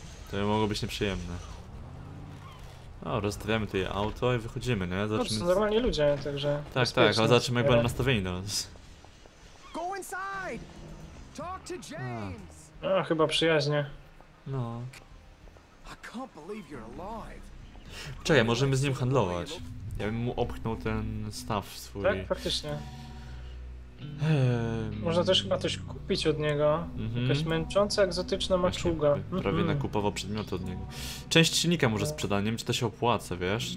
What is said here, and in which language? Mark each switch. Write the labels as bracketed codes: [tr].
[pl] To by mogło być nieprzyjemne. O, rozstawiamy tutaj auto i wychodzimy, nie? Zobaczymy... No, to są normalni ludzie, także... Tak, ale zobaczymy, jak będą nastawieni do nas. [en] Go inside! Talk to James. [pl] A chyba przyjaźnie. No. [en] I can't believe you're alive. [pl] Czekaj, możemy z nim handlować. Ja bym mu opchnął ten staw swój. Tak, faktycznie. Można też chyba coś kupić od niego. Jakaś męcząca, egzotyczna maczuga. Prawie nakupował przedmioty od niego. Część silnika może sprzedać, nie wiem, czy to się opłaca, wiesz?